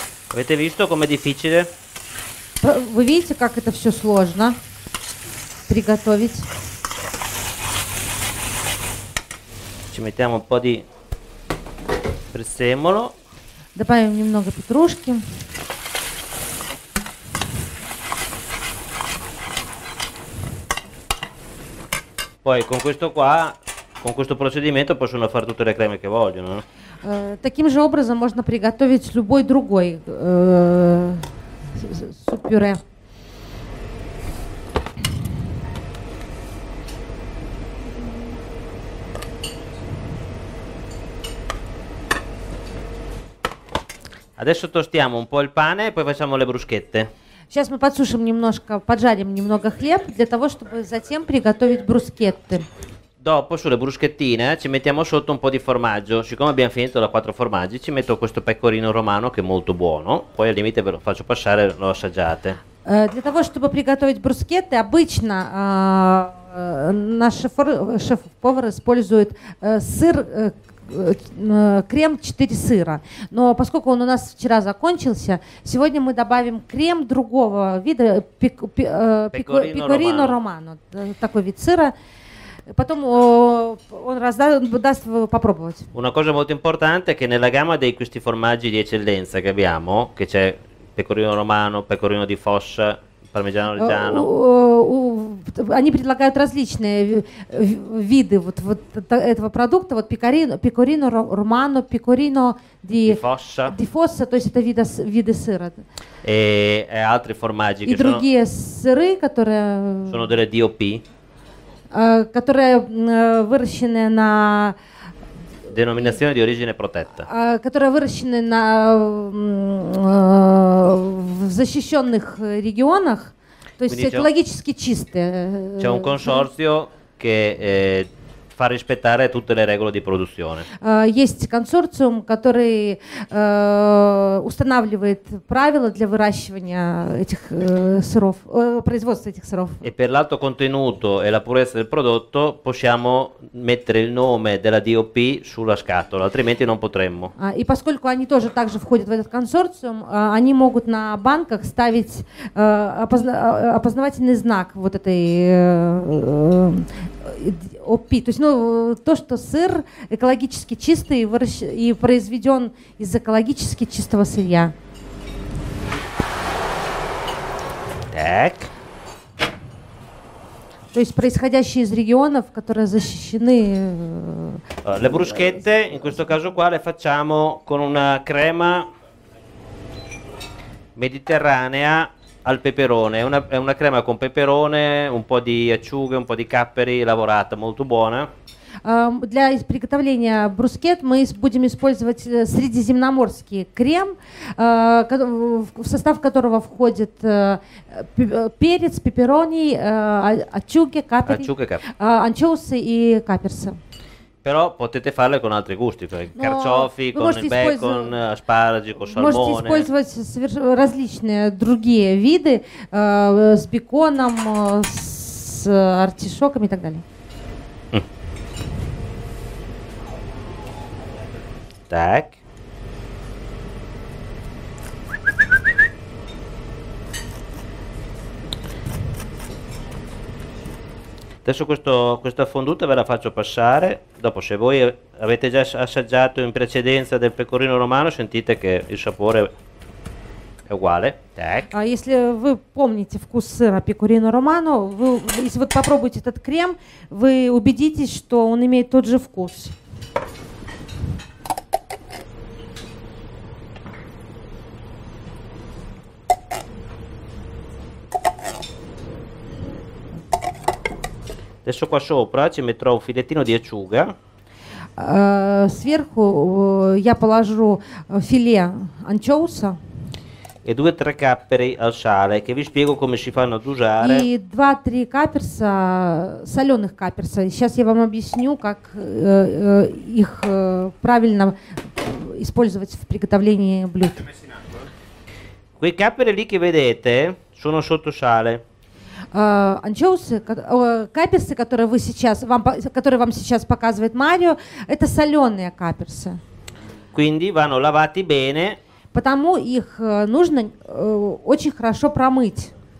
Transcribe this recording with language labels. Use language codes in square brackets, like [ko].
[it] Avete visto com'è difficile? Voi vedete come è tutto [ru] сложно приготовить. [it] Ci mettiamo un po' di prezzemolo. [ru] Добавим немного петрушки. [it] Poi con questo qua, con questo procedimento possono fare tutte le creme che vogliono. [ru] Таким же образом можно приготовить любой другой суп-пюре. [it] Adesso tostiamo un po' il pane e poi facciamo le bruschette. [ru] Сейчас мы подсушим немножко, поджарим немного хлеб для того, чтобы затем приготовить брускетты. [it] Dopo sulle bruschettine ci mettiamo sotto un po' di formaggio. Siccome abbiamo finito da quattro formaggi, ci metto questo pecorino romano che è molto buono. Poi al limite ve lo faccio passare, lo assaggiate. [ru] Для того, чтобы приготовить брускетты, обычно наш шеф-повар использует сыр, крем 4 сыра. Но поскольку он у нас вчера закончился, сегодня мы добавим крем другого вида, пекорино романо, такой вид сыра. Потом он раздаст, даст попробовать. [it] Una cosa molto importante è che nella gamma di questi formaggi di eccellenza che abbiamo, che c'è pecorino romano, pecorino di fossa, parmigiano reggiano. [ru] Они предлагают различные виды вот, вот этого продукта, вот пекорино романо, пекорино ди фосса, то есть это виды, виды сыра. [it] E altri formaggi [ru] и другие сыры, которые... [it] Sono delle DOP. [ru] Которые выращены на... [it] Denominazione di origine protetta. [ru] Которые выращены на в защищенных регионах. То есть экологически чистые. [it] C'è un consorzio che fa rispettare tutte le regole di produzione. [ru] Есть консорциум, который устанавливает правила для выращивания этих сыров, производства этих сыров. [it] E per l'alto contenuto e la purezza del prodotto possiamo mettere il nome della DOP sulla scatola, altrimenti non potremmo. [ru] И поскольку они тоже также входят в этот консорциум, они могут на банках ставить опознавательный знак вот этой ОП, то есть, ну, то, что сыр экологически чистый и произведен из экологически чистого сырья. Так. То есть, происходящие из регионов, которые защищены. [it] Le bruschette, in questo caso qua, le facciamo con una crema mediterranea. Al peperone, è una crema con peperone, un po' di acciughe, un po' di capperi lavorata, molto buona. [ru] Для приготовления брускет мы будем использовать средиземноморский крем, в состав которого входит перец, пепперони, acciughe, anchoussi и каперсы. [it] Però potete farle con altri gusti, con i carciofi, con il bacon, asparagi, con salmone. [ru] Можете использовать различные другие виды, с беконом, с артишоками и так далее. Так. [it] Adesso questa fonduta ve la faccio passare, dopo se voi avete già assaggiato in precedenza del pecorino romano sentite che il sapore è uguale. [ru] Если вы помните вкус сыра пекорино романо, если вы попробуете этот крем, вы убедитесь, что он имеет тот же вкус. [it] Adesso qua sopra ci metterò un filettino di acciuga. [ru] Сверху я положу филе анчоуса. [it] E 2-3 capperi al sale, che vi spiego come si fanno ad usare. [ru] И 2-3 каперса, соленых каперса. Сейчас я вам объясню, как их правильно использовать в приготовлении блюд. [it] Quei capperi lì che vedete sono sotto sale. [ru] Анчоусы, каперсы, которые вы сейчас, которые вам сейчас показывает Марио, это соленые каперсы. [it] Quindi vanno lavati bene. [ru] Потому их нужно очень хорошо промыть.